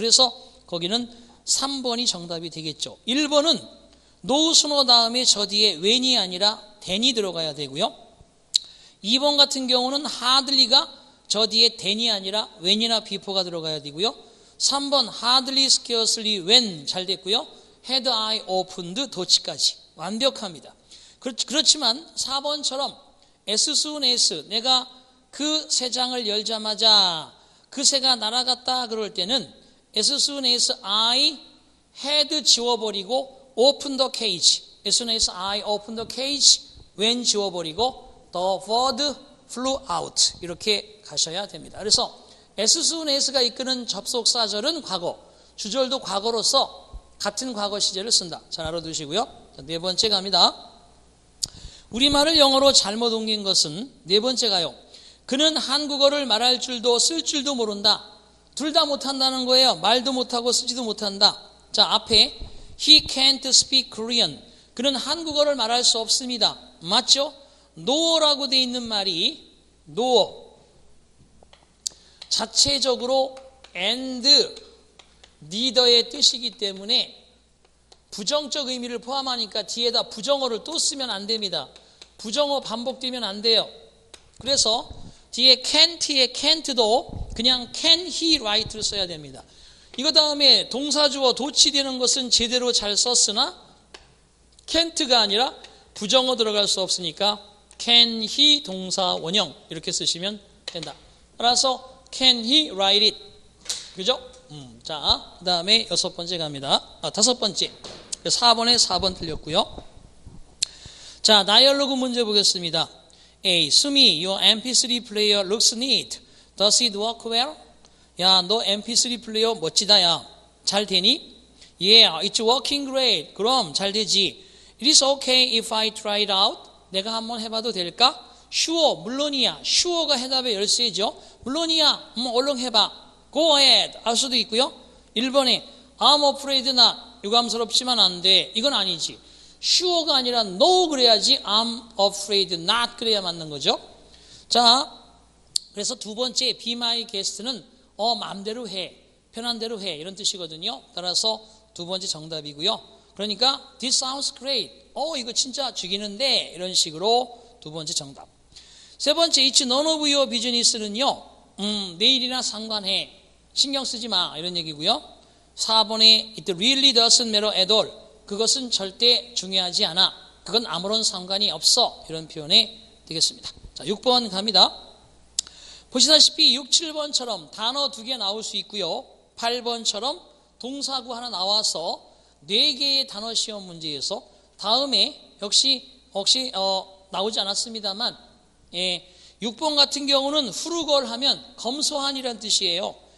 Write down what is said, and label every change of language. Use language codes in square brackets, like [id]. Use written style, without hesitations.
[ko] 그래서 거기는 3번이 정답이 되겠죠. 1번은 no sooner 다음에 저 뒤에 when이 아니라 than이 들어가야 되고요. 2번 같은 경우는 hardly가 저 뒤에 than이 아니라 when이나 before가 들어가야 되고요. 3번 hardly scarcely when 잘 됐고요. [en] had I opened [ko] 도치까지 완벽합니다. 그렇지만 4번처럼 as soon as 내가 그 새장을 열자마자 그 새가 날아갔다 그럴 때는 as soon as I had 지워버리고 [en] open the cage as soon as I open the cage [ko] when 지워버리고 [en] the bird flew out [ko] 이렇게 가셔야 됩니다. 그래서 as soon as가 이끄는 접속사절은 과거 주절도 과거로서 같은 과거 시제를 쓴다. 잘 알아두시고요. 자, 네 번째 갑니다. 우리말을 영어로 잘못 옮긴 것은 네 번째 가요. 그는 한국어를 말할 줄도 쓸 줄도 모른다. 둘 다 못한다는 거예요. 말도 못하고 쓰지도 못한다. 자 앞에 [en] He can't speak Korean. [ko] 그는 한국어를 말할 수 없습니다. 맞죠? 노어라고 되어 있는 말이 노어. 자체적으로 and, neither의 뜻이기 때문에 부정적 의미를 포함하니까 뒤에다 부정어를 또 쓰면 안 됩니다. 부정어 반복되면 안 돼요. 그래서 뒤에 can't의 can't도 그냥 [en] can he write [ko] 를 써야 됩니다. 이거 다음에 동사주어 도치되는 것은 제대로 잘 썼으나 can't가 아니라 부정어 들어갈 수 없으니까 can he 동사 원형 이렇게 쓰시면 된다. 따라서 [en] can he write it. [ko] 그죠? 자, 그 다음에 여섯 번째 갑니다. 아, 다섯 번째. 4번에 4번 틀렸고요. 자, 다이얼로그 문제 보겠습니다. A. [en] Sumi, your MP3 player looks neat. Does it work well? [ko] 야, 너 MP3 플레이어 멋지다, 야. 잘 되니? [en] Yeah, it's working great. [ko] 그럼, 잘 되지. [en] It is okay if I try it out. [ko] 내가 한번 해봐도 될까? Sure, 물론이야. Sure가 해답의 열쇠죠. 물론이야. 얼른 해봐. [en] Go ahead. [ko] 할 수도 있고요. [en] 1번에, I'm afraid not. [ko] 유감스럽지만 안 돼. 이건 아니지. Sure가 아니라 no 그래야지. [en] I'm afraid not [ko] 그래야 맞는 거죠. 자, 그래서 두 번째 [en] be my guest [ko] 는 마음대로 해. 편한 대로 해. 이런 뜻이거든요. 따라서 두 번째 정답이고요. [en] 그러니까 this sounds great. [ko] 이거 진짜 죽이는데. 이런 식으로 두 번째 정답. 세 번째 [en] it's none of your business [ko] 는요. 내일이나 상관해. 신경 쓰지 마. 이런 얘기고요. [en] 4번에 it really doesn't matter at all. [ko] 그것은 절대 중요하지 않아. 그건 아무런 상관이 없어. 이런 표현이 되겠습니다. 자, 6번 갑니다. 보시다시피 6, 7번처럼 단어 두 개 나올 수 있고요. 8번처럼 동사구 하나 나와서 네 개의 단어 시험 문제에서 다음에 역시 나오지 않았습니다만 예, 6번 같은 경우는 frugal 하면 검소한이란 뜻이에요.